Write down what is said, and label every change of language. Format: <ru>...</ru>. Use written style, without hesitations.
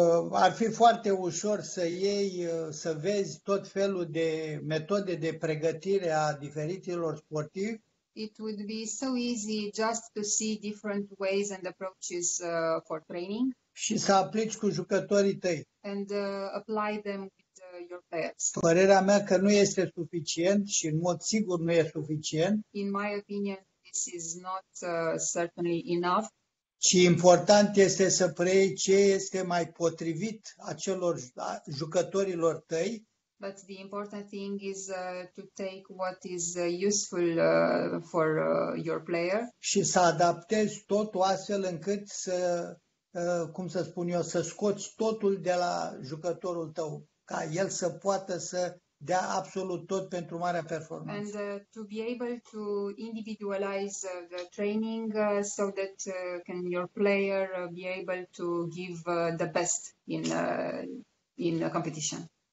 <ro>Ar fi foarte ușor să iei, să vezi tot felul de metode de pregătire a diferitelor sportivi.</ro> <en>It would be so easy just to see different ways and approaches for training.</en> <ro>Și să aplici cu jucătorii tăi.</ro> <en>And apply them with your players.</en> <ro>Părerea mea că nu este suficient și în mod sigur nu e suficient.</ro> <en>In my opinion, this is not certainly enough.</en> <ro>Și important este să preiei ce este mai potrivit acelor jucătorilor tăi.</ro> <en>But the important thing is to take what is useful for your player.</en> <ro>Și să adaptezi totul astfel încât să, cum să spun eu, să scoți totul de la jucătorul tău, ca el să poată să dea absolut tot pentru marea performanță.</ro> <en>And to be able to individualize the training so that can your player be able to give the best in a competition.</en>